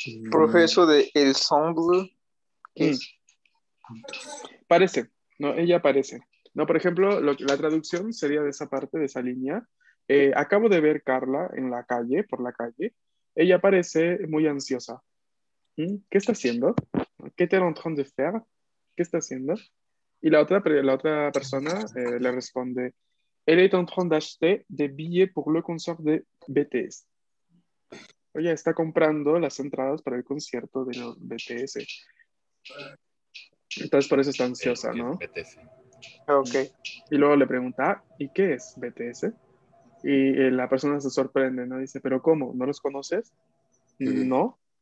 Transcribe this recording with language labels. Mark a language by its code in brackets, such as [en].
[es] Profesor de ensemble. ¿Qué es? Parece, no, ella parece. No, por ejemplo, la traducción sería de esa parte, de esa línea. Acabo de ver Carla en la calle, por la calle. Ella parece muy ansiosa. ¿Qué está haciendo? ¿Qué te [fr] en train de faire? [es] ¿Qué está haciendo? Y la otra persona le responde: [fr] Elle est en train d'acheter des billets pour le concert de BTS. [es] Ella está comprando las entradas para el concierto de los BTS. Entonces por eso está ansiosa, ¿no? BTS. Ok. Y luego le pregunta, ¿y qué es BTS? Y la persona se sorprende, ¿no? Dice, ¿pero cómo? ¿No los conoces? No.